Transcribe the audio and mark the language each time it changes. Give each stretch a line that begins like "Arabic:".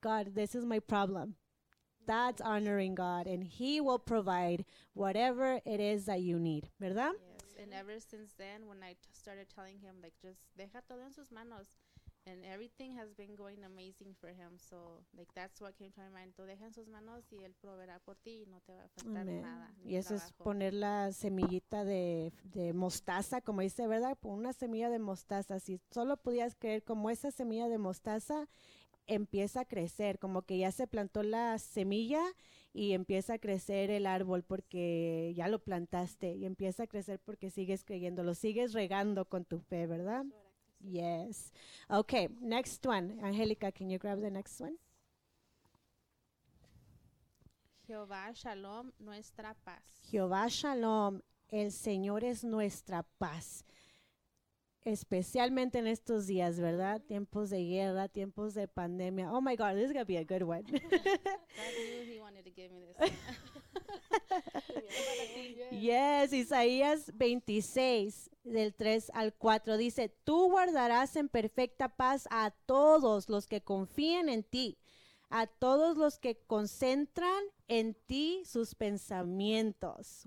English: God, this is my problem. That's honoring God, and He will provide whatever it is that you need, ¿verdad? Yes. And ever since then, when I started telling Him, like, just
Spanish: deja todo en sus manos,
English: and everything has been going amazing for Him. So, like, that's what came to my mind.
Spanish: Tú deja en sus manos y Él proveerá por ti y no te va a faltar
English: Amen.
Spanish: Nada. Y eso trabajo. Es poner la semillita de mostaza, como dice, ¿verdad? Una semilla de mostaza. Si solo pudieras creer como esa semilla de mostaza, empieza a crecer, como que ya se plantó la semilla y empieza a crecer el árbol porque ya lo plantaste, y empieza a crecer porque sigues creyendo, lo sigues regando con tu fe, ¿verdad?
English: Yes. Okay, next one. Angélica, can you grab the next one?
Spanish: Jehová Shalom, nuestra paz. Jehová Shalom, el Señor es nuestra paz. Especialmente en estos días, ¿verdad? Tiempos de guerra, tiempos de pandemia.
English: Oh my God, this is going to be a good one. God knew He wanted to give me this.
Spanish: Yes, Isaías 26, del 3 al 4, dice, tú guardarás en perfecta paz a todos los que confíen en ti, a todos los que concentran en ti sus pensamientos.